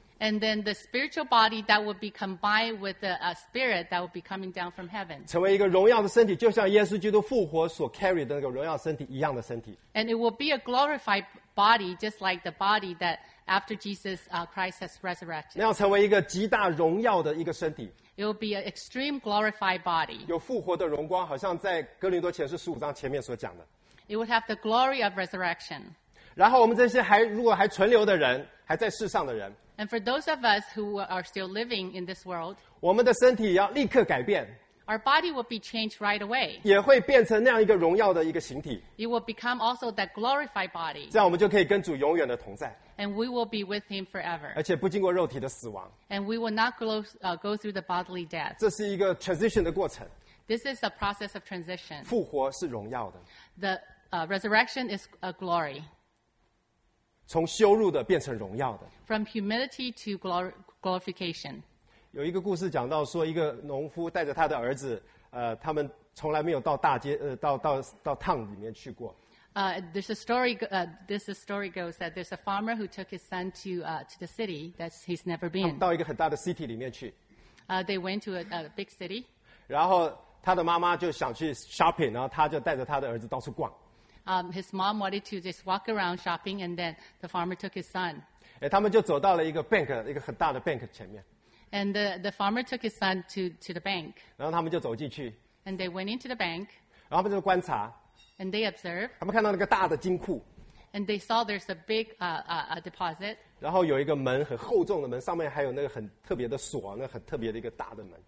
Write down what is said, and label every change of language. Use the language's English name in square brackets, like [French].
[English] And then the spiritual body that would be combined with the spirit that would be coming down from heaven. [Chinese] 成为一个荣耀的身体，就像耶稣基督复活所 carry 的那个荣耀身体一样的身体。 [English] And it will be a glorified body, just like the body that after Jesus Christ has resurrected. [Chinese] 那要成为一个极大荣耀的一个身体。 [English] It will be an extreme glorified body. [Chinese] 有复活的荣光，好像在哥林多前书十五章前面所讲的。 [English] It would have the glory of resurrection. [Chinese] 然后我们这些还如果还存留的人，还在世上的人。 [English] And for those of us who are still living in this world, [Chinese] 我们的身体要立刻改变。 [English] Our body will be changed right away. [Chinese] 也会变成那样一个荣耀的一个形体。 [English] It will become also that glorified body. [Chinese] 这样我们就可以跟主永远的同在。 [English] And we will be with him forever. [Chinese] 而且不经过肉体的死亡。 [English] And we will not go through the bodily death. [Chinese] 这是一个 transition 的过程。 [English] This is a process of transition. [Chinese] 复活是荣耀的。 [English] The resurrection is a glory. [Chinese] 从羞辱的变成荣耀的。 [English] From humility to glorification. [Chinese] 有一个故事讲到说，一个农夫带着他的儿子，他们从来没有到大街，到 town 里面去过。 [English] This story goes that there's a farmer who took his son to the city that he's never been. [Chinese] 他们到一个很大的 city 里面去。 [English] They went to a big city. [Chinese] 然后他的妈妈就想去 shopping， 然后他就带着他的儿子到处逛。 [English] His mom wanted to just walk around shopping, and then the farmer took his son. [Chinese] 哎，他们就走到了一个 bank， 一个很大的 bank 前面。 [English] And the farmer took his son to the bank. [Chinese] 然后他们就走进去。 [English] And they went into the bank. [Chinese] 然后他们就观察。 [English] And they observed. [Chinese] 他们看到那个大的金库。 [English] And they saw there's a big deposit. [Chinese] 然后有一个门，很厚重的门，上面还有那个很特别的锁，那很特别的一个大的门。